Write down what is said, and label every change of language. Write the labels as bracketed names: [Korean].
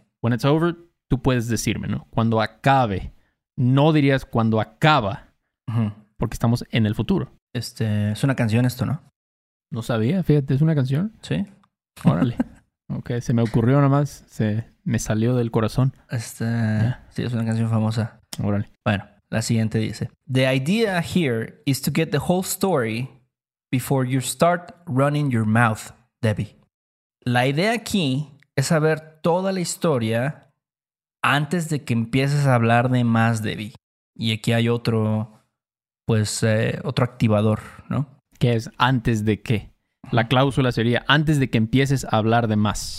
[English] When it's over, [Spanish] tú puedes decirme, ¿no? Cuando acabe. No dirías cuando acaba. Porque estamos en el futuro. Es una canción esto, ¿no? No sabía, fíjate. ¿Es una canción? Sí. Órale. Ok, se me ocurrió nomás. Se me salió del corazón. Sí, es una canción famosa. Órale. Bueno, la siguiente dice. [English] The idea here is to get the whole story... Before you start running your mouth, Debbie. [Spanish] La idea aquí es saber toda la historia antes de que empieces a hablar de más, Debbie. Y aquí hay otro, otro activador, ¿no? ¿Qué es antes de qué? La cláusula sería antes de que empieces a hablar de más.